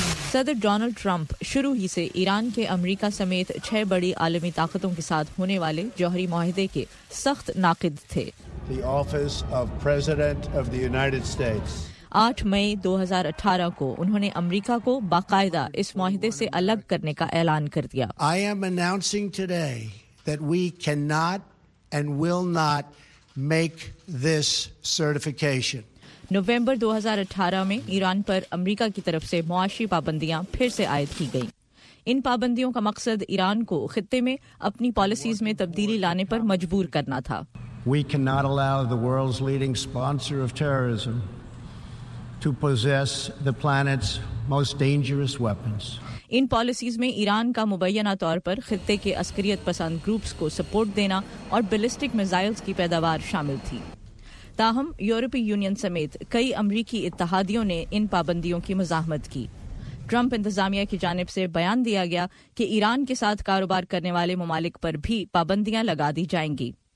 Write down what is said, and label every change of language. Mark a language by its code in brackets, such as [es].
[ur] صدر Donald Trump شروع ہی سے ایران کے امریکہ سمیت 6 بڑی عالمی طاقتوں کے ساتھ ہونے والے جوہری معاہدے کے سخت ناقد تھے۔ 8 مئی 2018 کو انہوں نے امریکہ کو باقاعدہ اس معاہدے سے الگ کرنے کا اعلان کر دیا۔ [en] I am announcing today that we cannot and will not make this certification۔ [ur] November 2018 میں ایران پر امریکہ کی طرف سے معاشی پابندیاں پھر سے عائد کی گئیں۔ ان پابندیوں کا مقصد ایران کو خطے میں اپنی پالیسیز میں تبدیلی لانے پر مجبور کرنا تھا۔ [en] We cannot allow the world's leading sponsor of terrorism to possess the planet's most dangerous weapons۔ [ur] In policies میں ایران کا مبینہ طور پر خطے کے عسکریت پسند گروپس کو سپورٹ دینا اور بیلسٹک میزائلز کی پیداوار شامل تھی۔ تاہم یورپی یونین سمیت کئی امریکی اتحادیوں نے ان پابندیوں کی مزاحمت کی۔ ٹرمپ انتظامیہ کی جانب سے بیان دیا گیا کہ ایران کے ساتھ کاروبار کرنے والے ممالک پر بھی پابندیاں لگا دی جائیں گی۔